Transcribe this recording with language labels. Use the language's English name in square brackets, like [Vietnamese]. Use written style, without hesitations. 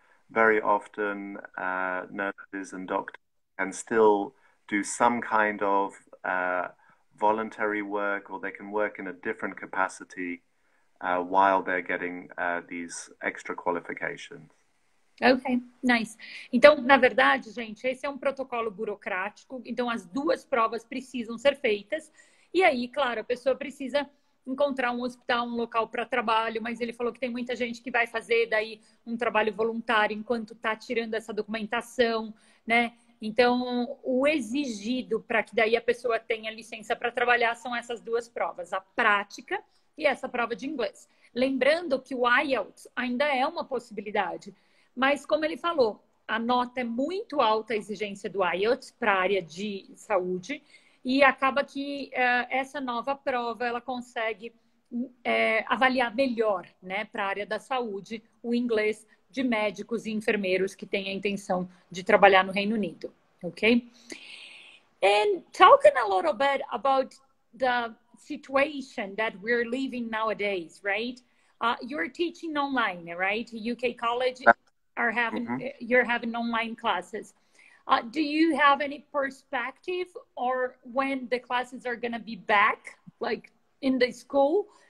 [English] Very often, nurses and doctors can still do some kind of voluntary work, or they can work in a different capacity while they're getting these extra qualifications. Ok, nice. [Portuguese] Então, na verdade, gente, esse é um protocolo burocrático. Então, as duas provas precisam ser feitas. E aí, claro, a pessoa precisa encontrar um hospital, um local para trabalho. Mas ele falou que tem muita gente que vai fazer daí um trabalho voluntário enquanto está tirando essa documentação, né? Então, o exigido para que daí a pessoa tenha licença para trabalhar são essas duas provas, a prática e essa prova de inglês. Lembrando que o IELTS ainda é uma possibilidade. Mas, como ele falou, a nota é muito alta a exigência do IELTS para a área de saúde e acaba que essa nova prova ela consegue avaliar melhor, né, para a área da saúde o inglês de médicos e enfermeiros que têm a intenção de trabalhar no Reino Unido, ok? [English] And talking a little bit about the situation that we're living nowadays, right? You're teaching online, right? UK college... you're having online classes. Do you have any perspective or when the classes are going to be back, like in the school?